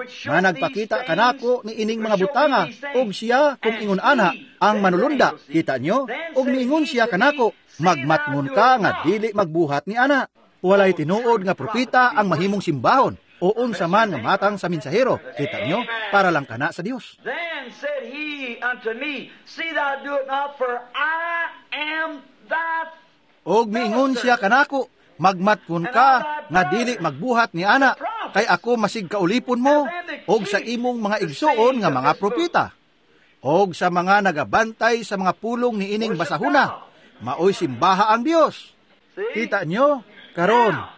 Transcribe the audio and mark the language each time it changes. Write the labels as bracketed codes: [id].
[ceb] Nga nagpakita kanako ni ining mga butanga og siya kung ingon ana ang manulunda. Kita nyo? Og miingon siya kanako, magmatngon ka nga dili magbuhat ni ana. Walay tinuod nga propita ang mahimong simbahon o unsa man nga matang sa minsahero. Kita nyo? Para lang kana sa Dios. [en] Said he unto me, see thou do it not, for I am that. [ceb] Og miingon siya kanako, magmatkun ka nga dili magbuhat ni ana, kay ako masigkaulipon mo og sa imong mga igsuon nga mga propita. Og sa mga nagabantay sa mga pulong ni ining basahuna, maoy simbaha ang Dios. Kita nyo? Karon,